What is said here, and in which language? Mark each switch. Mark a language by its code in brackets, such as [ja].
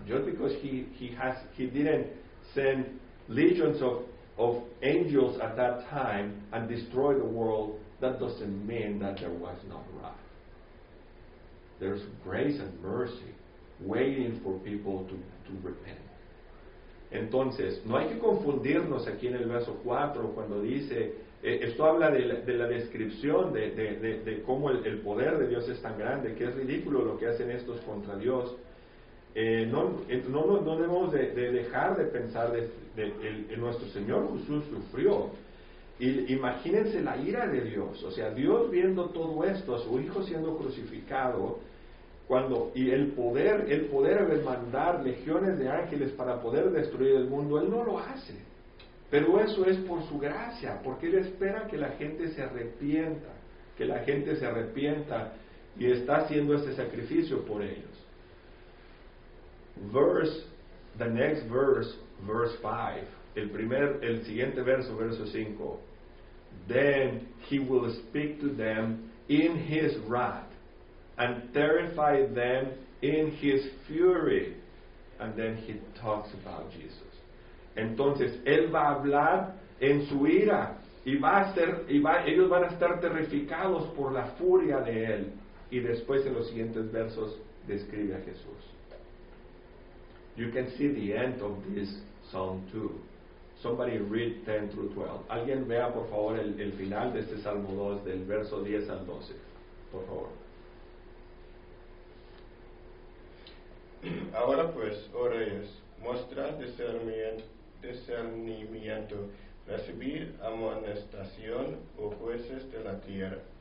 [en] Just because he didn't send legions of angels at that time and destroy the world, that doesn't mean that there was no wrath. There's grace and mercy waiting for people to repent. [es] Entonces, no hay que confundirnos aquí en el verso 4 cuando dice, esto habla de la descripción de cómo el poder de Dios es tan grande, que es ridículo lo que hacen estos contra Dios. No debemos de dejar de pensar de nuestro Señor Jesús sufrió. Imagínense la ira de Dios, o sea, Dios viendo todo esto, a su hijo siendo crucificado, cuando, y el poder de mandar legiones de ángeles para poder destruir el mundo, él no lo hace. Pero eso es por su gracia, porque él espera que la gente se arrepienta, que la gente se arrepienta, y está haciendo ese sacrificio por ellos. El siguiente verso, verso 5. [en] Then he will speak to them in his wrath and terrify them in his fury. And then he talks about Jesus. [es] Entonces, él va a hablar en su ira ellos van a estar terrificados por la furia de él. Y después en los siguientes versos describe a Jesús. [en] You can see the end of this Psalm 2. Somebody read 10 through 12. [es] Alguien vea por favor el final de este Salmo 2, del verso 10 al 12. Por favor. Ahora pues, oh reyes, mostrad discernimiento, recibid amonestación, oh jueces de la tierra.